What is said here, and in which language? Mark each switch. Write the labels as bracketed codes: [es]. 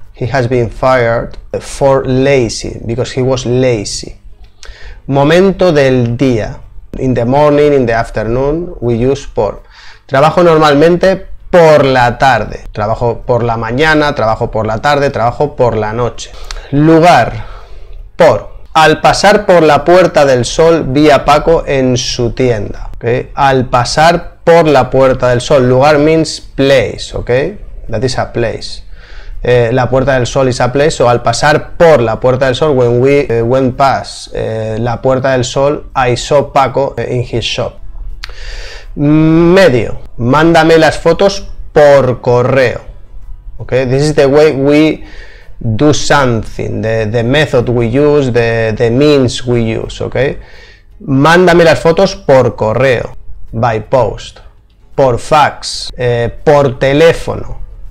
[en] He has been fired for lazy, because he was lazy. Momento del día. In the morning, in the afternoon, we use por. [es] Trabajo normalmente por la tarde. Trabajo por la mañana, trabajo por la tarde, trabajo por la noche. Lugar. Por. Al pasar por la Puerta del Sol, vi a Paco en su tienda. [en] Okay? Al pasar por la Puerta del Sol. Lugar means place, okay? That is a place. La Puerta del Sol is a place, o al pasar por la Puerta del Sol, when we went past la Puerta del Sol, I saw Paco in his shop. [es] Medio. Mándame las fotos por correo. Okay? [en] This is the way we do something, the method we use, the means we use. Okay? [es] Mándame las fotos por correo, by post, por fax, por teléfono.